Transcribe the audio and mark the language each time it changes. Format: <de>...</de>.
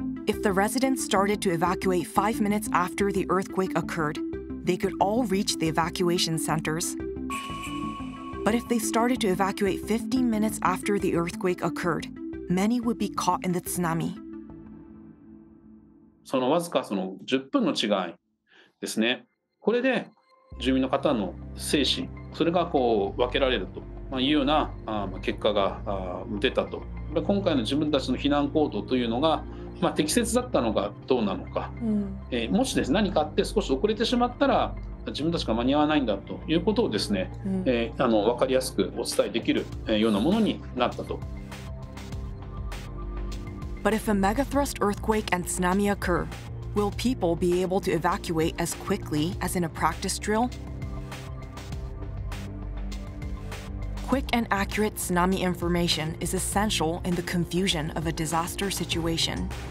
<en>If the residents started to evacuate 5 minutes after the earthquake occurred, they could all reach the evacuation centers. But if they started to evacuate 15 minutes after the earthquake occurred, many would be caught in the tsunami.</en> <ja>そのわずかその10分の違いですね。これで住民の方の精神、それがこう分けられるというような結果が出たと。今回の自分たちの避難行動というのが、まあ、適切だったのかどうなのか、うん、もしですね、何かあって少し遅れてしまったら自分たちが間に合わないんだということをですね、うん、分かりやすくお伝えできるようなものになったと。</ja> <en>But if a megathrust earthquake and tsunami occur, will people be able to evacuate as quickly as in a practice drill? Quick and accurate tsunami information is essential in the confusion of a disaster situation.</en>